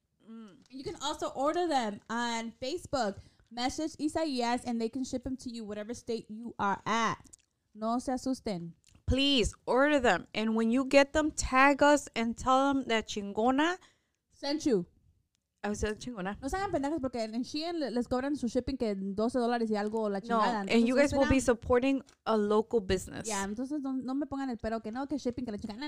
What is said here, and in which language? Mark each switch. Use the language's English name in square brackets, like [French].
[English] Mm. You can also order them on Facebook. Message Isaías and they can ship them to you whatever state you are at. [Spanish] No se asusten. [English] Please order them. And when you get them, tag us and tell them that Chingona sent you. I was saying Chingona. [Spanish] No se hagan pendejas porque en Shein les cobran su shipping que $12 y algo la chingada. No, [English] and you guys will be supporting a local business. [Spanish] Yeah, entonces no me pongan el pero que no, que shipping, que la chingada.